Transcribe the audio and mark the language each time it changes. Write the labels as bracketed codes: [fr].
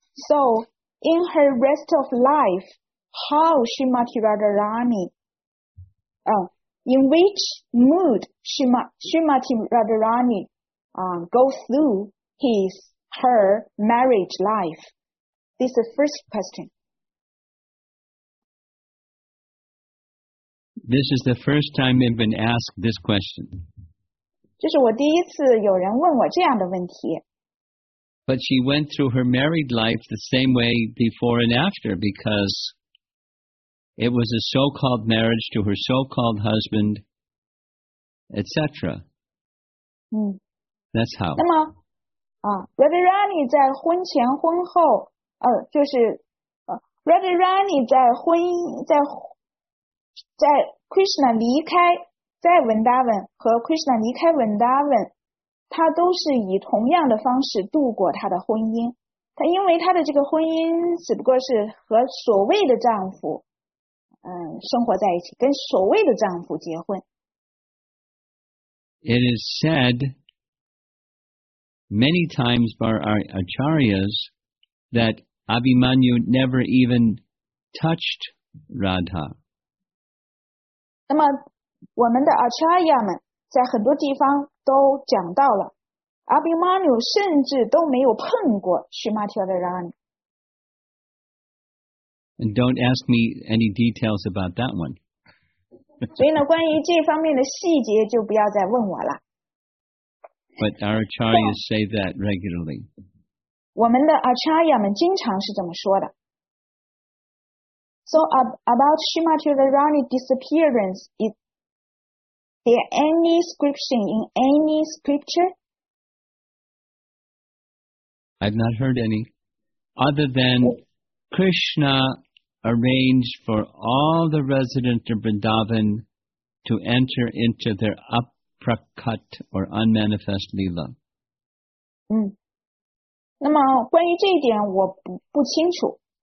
[en] So in her rest of life, how Srimati Radharani, in which mood Srimati Radharani go through her marriage life? This is the first question. This is the first time I've been asked this question. [zh] 这是我第一次有人问我这样的问题。 [en] But she went through her married life the same way before and after, because it was a so-called marriage to her so-called husband, etc. 嗯。 That's how. [zh] 那么Radharani 在婚前婚后就是Radharani 在婚在 Krishna 离开在 Vrindavan 和 Krishna 离开 Vrindavan， 他都是以同样的方式度过他的婚姻。他因为他的这个婚姻只不过是和所谓的丈夫生活在一起，跟所谓的丈夫结婚。 [en] It is said many times by our acharyas that Abhimanyu never even touched Radha. [zh] 那么我们的 Acharya 们在很多地方都讲到了 Abhimanyu 甚至都没有碰过 Srimati Radharani. [en] And don't ask me any details about that one. [zh] 所以呢，关于这方面的细节就不要再问我了。 [en] But our Acharyas say that regularly. [zh] 我们的 Acharya 们经常是这么说的。 [en] So about Srimati Radharani's disappearance, is there any scripture in any scripture? I've not heard any. Other than Krishna arranged for all the residents of Vrindavan to enter into their aprakat or unmanifest lila. [zh] 嗯，那么关于这一点我不清楚。